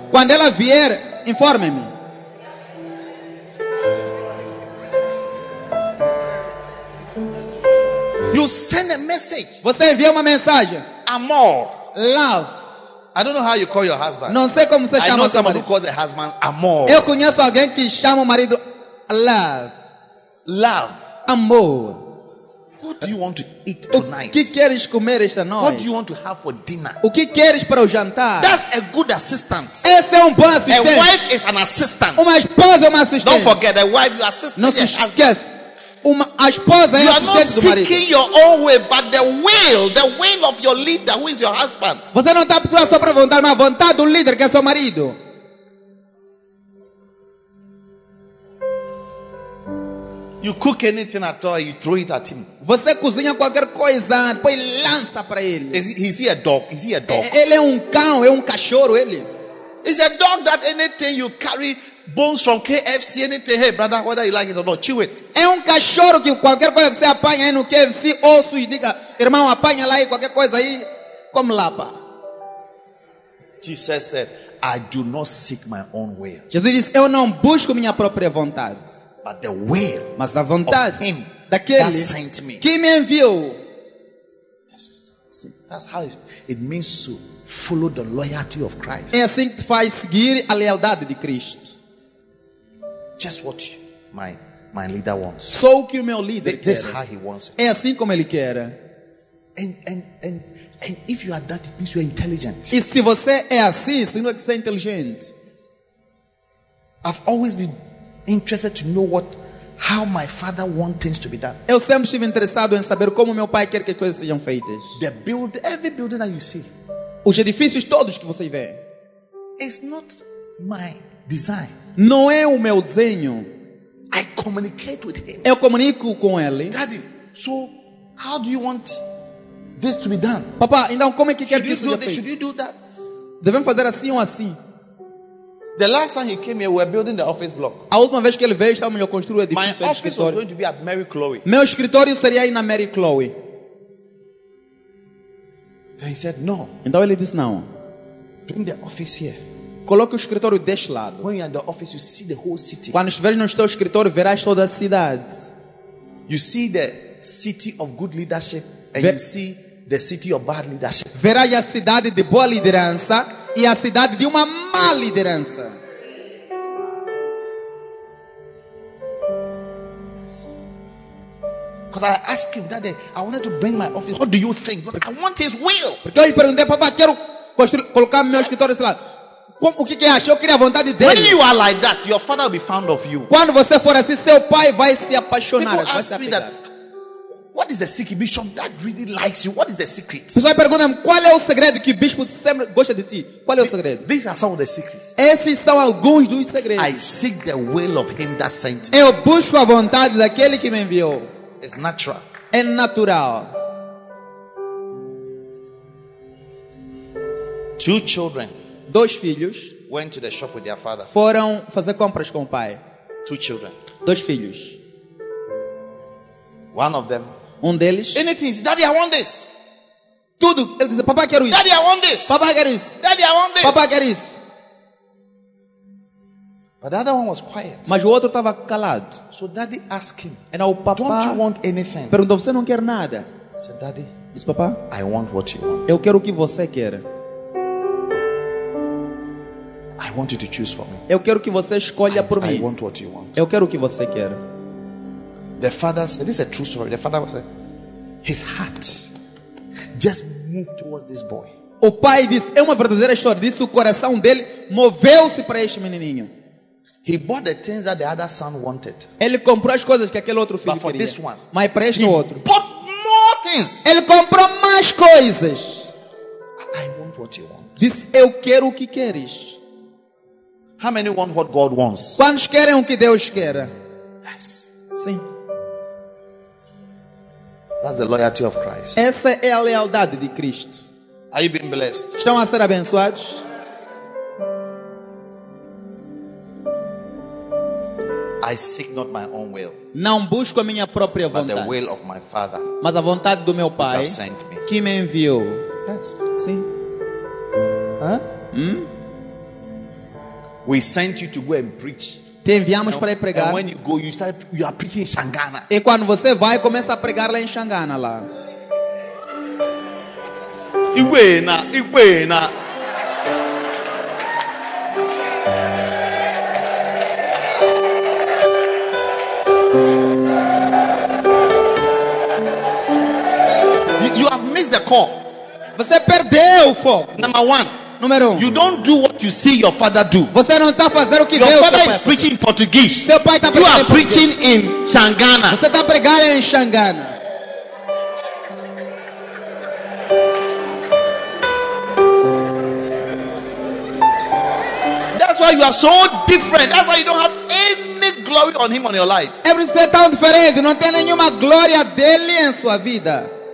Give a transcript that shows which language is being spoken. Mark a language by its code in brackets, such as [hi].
[pt] Quando ela vier, informe-me. [en] You send a message. [pt] Você envia uma mensagem. Amor. [en] Love. I don't know how you call your husband. [pt] Não sei como você chama o seu marido. [en] I know someone who calls their husband amor. [pt] Eu conheço alguém que chama o marido love. [en] Love. [pt] Amor. [en] What do you want to eat tonight? [pt] O que queres comer esta noite? [en] What do you want to have for dinner? [pt] O que queres para o jantar? [en] That's a good assistant. [pt] Esse é um bom assistente. [en] A wife is an assistant. [pt] Uma esposa é uma assistente. [en] Don't forget, a wife you assist. [pt] Não se esqueça. Uma esposa é [en] you are not seeking your own way, but the will of your leader, who is your husband. [pt] Você não está procurando só para vontade, mas a vontade do líder, que é seu marido. [en] You cook anything at all, you throw it at him. [pt] Você cozinha qualquer coisa, depois lança para ele. [en] Is he a dog? [pt] Ele é um cão, é um cachorro, ele. [en] Is a dog that anything you carry bones from KFC, anything, hey brother, whether you like it or not, chew it. [pt] É um cachorro que qualquer coisa que você apanha aí no KFC, osso e diga, irmão, apanha lá aí qualquer coisa aí, come lapa. [en] Jesus said, I do not seek my own will. [pt] Jesus disse, eu não busco minha própria vontade. [en] But the will, [pt] mas a vontade [en] of him [pt] daquele [en] that sent me. [pt] Que me enviou. [en] Yes. See, that's how it means to follow the loyalty of Christ. [pt] É assim que faz seguir a lealdade de Cristo. [en] Just what my leader wants. [pt] Só o que o meu líder quer. [en] That's how he wants it. [pt] É assim como ele quer. [en] And if you are that, it means you are intelligent. [pt] E se você é assim, significa que você é inteligente. [en] I've always been interested to know how my father wants things to be done. [pt] Eu sempre estive interessado em saber como meu pai quer que as coisas sejam feitas. [en] Every building that you see, [pt] os edifícios todos que você vê, [en] it's not my design. [pt] Não é o meu desenho. [en] I communicate with him. [pt] Eu comunico com ele. [en] Daddy, so how do you want this to be done? [pt] Papá, então como é que quer que isso seja feito? [en] Should you do that? [pt] Devemos fazer assim ou assim? [en] The last time he came here, we were building the office block. [pt] A última vez que ele veio, estávamos a construir o edifício. [en] My office was going to be at Mary Chloe. [pt] Meu escritório seria aí na Mary Chloe. [en] Then he said no. [pt] Então ele disse não. [en] Bring the office here. [pt] Coloque o escritório deste lado. [en] When you are in the office, you see the whole city. [pt] Quando estiveres no teu escritório, verás toda a cidade. [en] You see the city of good leadership and you see the city of bad leadership. [pt] Verás a cidade de boa liderança e a cidade de uma má liderança. [en] Because I asked him that day, I wanted to bring my office. What do you think? Because I want his will. [pt] Porque eu perguntei, papá, quero colocar meu escritório deste lado. O que é? Eu queria a vontade dele. [en] When you are like that, your father will be fond of you. [pt] Quando você for assim, seu pai vai se apaixonar. [en] People ask me that. What is the secret, Bishop? That really likes you. What is the secret? [pt] Pessoas perguntam qual é o segredo que o bispo sempre gosta de ti. Qual é o segredo? [en] These are some of the secrets. [pt] Esses são alguns dos segredos. [en] I seek the will of him that sent me. [pt] Eu busco a vontade daquele que me enviou. [en] It's natural. [pt] É natural. [en] Two children. [pt] Dois filhos [en] went to the shop with their father. [pt] Foram fazer compras com o pai. [en] Two children. [pt] Dois filhos. [en] One of them. [pt] Um deles. [en] Anything, daddy, I want this. [pt] Tudo. Ele disse, papai, quero isso. [en] Daddy, I want this. [pt] Papai, quero isso. [en] Daddy, I want this. [pt] Papai, quero isso. [en] But the other one was quiet. [pt] Mas o outro estava calado. [en] So daddy asked him. And now, papá, don't you want anything? [pt] Perguntou, você não quer nada? [en] So daddy. [pt] Disse, papai, [en] I want what you want. [pt] Eu quero o que você quer. [en] I want you to choose for me. [pt] Eu quero que você escolha por mim. [en] I want what you want. [pt] Eu quero o que você quer. [en] The father said, this is a true story. The father said, His heart just moved towards this boy. [pt] O pai disse, é uma verdadeira chorada. Disse, o coração dele moveu-se para este menininho. [en] He bought the things that the other son wanted. [pt] Ele comprou as coisas que aquele outro filho queria. [en] But for this one, [pt] mas para este [en] he [pt] outro. [en] Bought more things. [pt] Ele comprou mais coisas. [en] I want what you want. [pt] Disse, eu quero o que queres. [en] How many want what God wants? [pt] Quantos querem o que Deus quer? [en] Yes. [pt] Sim. [en] That's the loyalty of Christ. [pt] Essa é a lealdade de Cristo. [en] Are you being blessed? [pt] Estão a ser abençoados? [en] I seek not my own will, [pt] não busco a minha própria vontade, [en] but the will of my Father, [pt] mas a vontade do meu Pai, [en] which have sent me. [pt] Que me enviou. [en] Yes. [pt] Sim. [en] Huh? Hmm? We sent you to go and preach. [pt] Te enviamos para ir pregar. [en] And when you go, you are preaching in Xangana. [pt] E quando você vai, começa a pregar lá em Xangana lá. Iguena, iguena. [en] You have missed the call. [pt] Você perdeu o foco. [en] Number one. [pt] Número um. [en] You don't do what you see your father do. [pt] Você não está fazendo o que [en] your father is preaching in Portuguese. [pt] Seu pai está [en] you are preaching in Xangana. [pt] Você está pregando em Xangana. [en] That's why you are so different. That's why you don't have any glory on him on your life. Every set [pt] tão diferente, não tem nenhuma glória dele em sua vida.